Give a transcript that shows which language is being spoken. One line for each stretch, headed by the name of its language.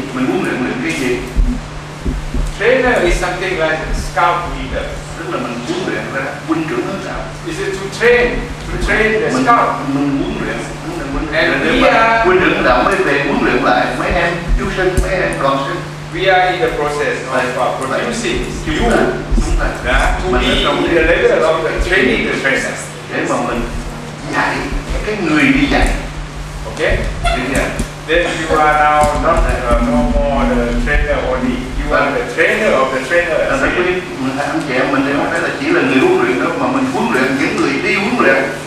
Vietnamese: Mình huấn luyện mình cái gì?
English: Trainer is something like scout leader.
Vietnamese: Tức là mình huấn luyện là quân trưởng hướng nào?
English: Is it to train the scout?
Vietnamese: Mình huấn luyện.
English: And we are
Vietnamese: quân trưởng đạo mới về huấn luyện lại mấy em chú sinh, mấy em con sinh.
English: We are in the process of producing you to be in the level of the training the trainers.
Vietnamese: Để mà mình dạy cái người đi dạy.
English: Okay? Then you are now not no more the trainer only. You are the trainer of the trainer.
Vietnamese: Là quý vị, mình là anh chị em, mình không phải là chỉ là người huấn luyện đó, mà mình huấn luyện những người đi huấn luyện.